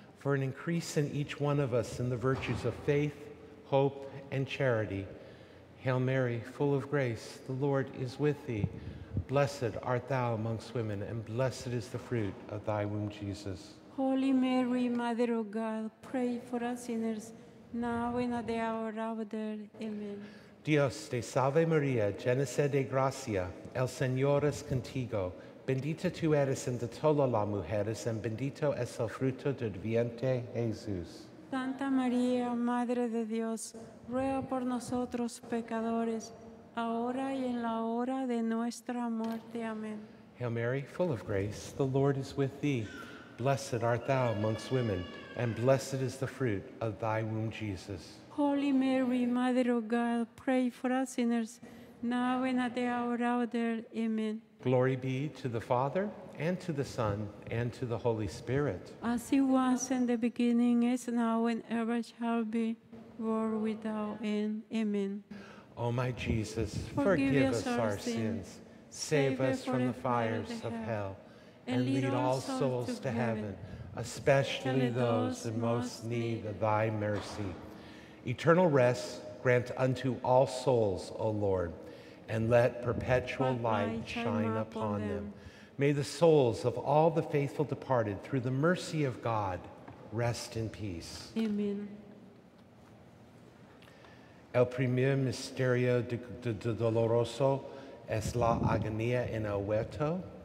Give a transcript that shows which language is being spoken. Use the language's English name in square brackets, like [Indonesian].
[English] For an increase in each one of us in the virtues of faith, hope, and charity. Hail Mary, full of grace, the Lord is with thee. Blessed art thou amongst women, and blessed is the fruit of thy womb, Jesus. Holy Mary, Mother of God, pray for us sinners, now and at the hour of our death. Amen. [Spanish] Dios te salve Maria, llena de gracia, el Señor es contigo. Bendita tú eres entre todas las mujeres, and bendito es el fruto del vientre, Jesús. Santa María, Madre de Dios, ruega por nosotros pecadores, ahora y en la hora de nuestra muerte. Amén. [English] Hail Mary, full of grace, the Lord is with thee. Blessed art thou amongst women, and blessed is the fruit of thy womb, Jesus. Holy Mary, Mother of God, pray for us sinners, now and at the hour of our death. Amen. Glory be to the Father, and to the Son, and to the Holy Spirit. As it was in the beginning, is now, and ever shall be, world without end. Amen. O my Jesus, forgive us our sins. Save us from the fires of hell. And lead all souls to heaven, especially those in most need of thy mercy. Eternal rest grant unto all souls, O Lord, and let perpetual light shine upon them. May the souls of all the faithful departed through the mercy of God rest in peace. Amen. [Spanish] El primer misterio de doloroso es la agonía en el huerto.